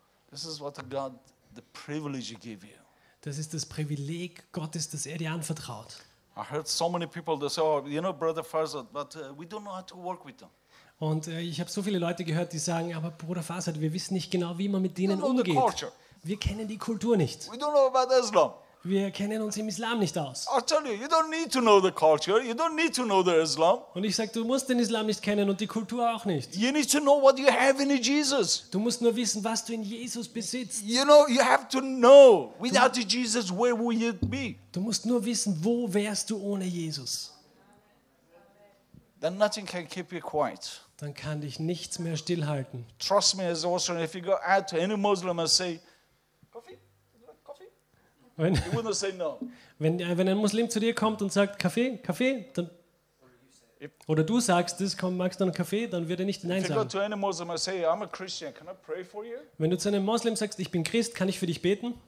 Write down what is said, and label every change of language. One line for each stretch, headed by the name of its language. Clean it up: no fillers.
German: Das ist das Privileg Gottes, das er dir anvertraut.
English: I heard so many people that say, oh, you know, Brother Farzad, but we don't know how to work with them.
German: Und ich habe so viele Leute gehört, die sagen, aber Bruder Farzad, wir wissen nicht genau, wie man mit denen umgeht. Wir kennen die Kultur nicht.
English: We don't know about Islam.
German: Wir kennen uns im Islam nicht aus.
English: I tell you, you don't need to know the culture. You don't need to know the Islam.
German: Und ich sage, du musst den Islam nicht kennen und die Kultur auch nicht.
English: You need to know what you have in Jesus.
German: Du musst nur wissen, was du in Jesus besitzt.
English: You know, you have to know. Without Jesus, where would you be?
German: Du musst nur wissen, wo wärst du ohne Jesus?
English: Then nothing can keep you quiet.
German: Dann kann dich nichts mehr stillhalten.
English: Trust me, as Austrian, if you go out to any Muslim and say, "Coffee, coffee," he wouldn't say no.
German: Wenn ein Muslim zu dir kommt und sagt Kaffee, dann oder du sagst, das kommt, magst du einen Kaffee, dann wird er nicht nein sagen.
English: If you go to any Muslim and say, "I'm a Christian, can I pray for you?"
German: Wenn du zu einem Muslim sagst, ich bin Christ, kann ich für dich beten?